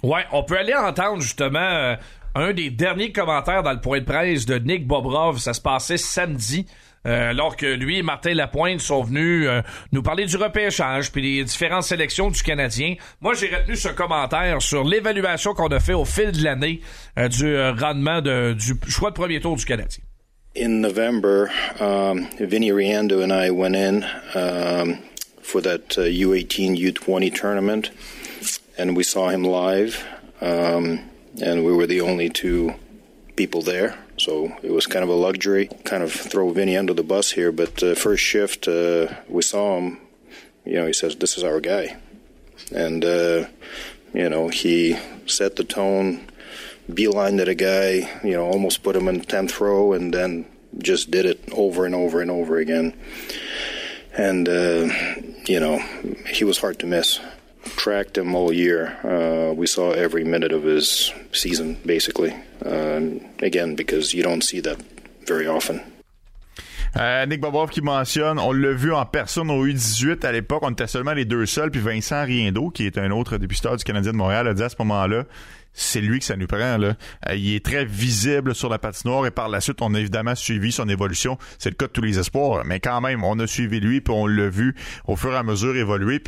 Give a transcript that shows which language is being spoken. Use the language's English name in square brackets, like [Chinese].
[French] Ouais, on peut aller entendre justement un des derniers commentaires dans le point de presse de Nick Bobrov. Ça se passait samedi, alors que lui et Martin Lapointe sont venus nous parler du repêchage puis des différentes sélections du Canadien. Moi, j'ai retenu ce commentaire sur l'évaluation qu'on a fait au fil de l'année du rendement du choix de premier tour du Canadien. [English] In November, Vinny Riando and I went in for that U18 U20 tournament and we saw him live. And we were the only two people there. So it was kind of a luxury, kind of throw Vinny under the bus here. But first shift, we saw him, you know, he says, this is our guy. And, you know, he set the tone, beelined at a guy, you know, almost put him in 10th row and then just did it over and over and over again. And, you know, he was hard to miss. Tracked him all year. We saw every minute of his season, basically. Again, because you don't see that very often. [French] Nick Bobrov qui mentionne, on l'a vu en personne au U18 à l'époque, on était seulement les deux seuls, puis Vincent Riendeau, qui est un autre dépisteur du Canadien de Montréal, a dit à ce moment-là, c'est lui que ça nous prend, là. Il est très visible sur la patinoire et par la suite, on a évidemment suivi son évolution. C'est le cas de tous les espoirs, mais quand même, on a suivi lui puis on l'a vu au fur et à mesure évoluer.